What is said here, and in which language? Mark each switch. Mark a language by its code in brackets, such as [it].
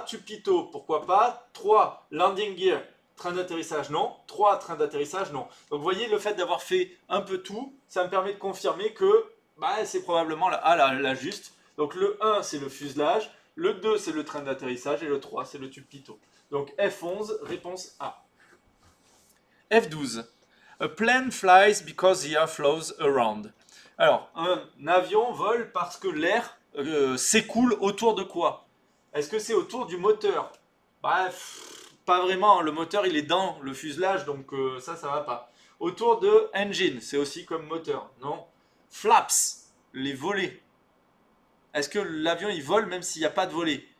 [fr] Tube pitot, pourquoi pas? 3, landing gear, train d'atterrissage, non. 3, train d'atterrissage, non. Donc vous voyez, le fait d'avoir fait un peu tout, ça me permet de confirmer que bah, c'est probablement la juste. Donc le 1, c'est le fuselage. Le 2, c'est le train d'atterrissage. Et le 3, c'est le tube pitot. Donc F11, réponse A. F12. [en] A plane flies because the air flows around. [fr] Alors, un avion vole parce que l'air s'écoule autour de quoi? Est-ce que c'est autour du moteur? Bref, pas vraiment. Le moteur, il est dans le fuselage, donc ça va pas. Autour de engine, c'est aussi comme moteur, non? Flaps, les volets. Est-ce que l'avion, il vole même s'il n'y a pas de volet?